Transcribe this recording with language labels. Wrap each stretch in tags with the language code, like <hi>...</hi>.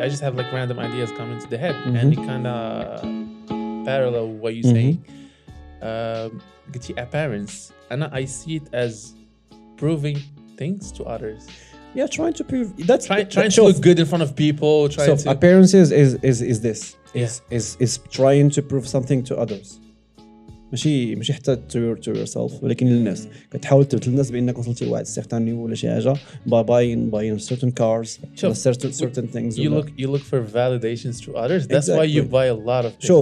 <en>I just have like random ideas coming to the head, mm-hmm. and it kind of parallel what you're mm-hmm. saying. Get your appearance, and I see it as proving things to others. Yeah, trying to prove that's trying to look good in front of people. Appearances is this. Is trying to prove something to others.</en> <ar>مش حتى</ar> <en>to yourself</en> <ar>ولكن للناس كتحاول تثبت للناس بأنك وصلتي لواحد السيختاني ولا شي حاجة</ar> <en>by buying certain cars certain things. You look for validations to others. That's exactly. Why you buy a lot of things.</en>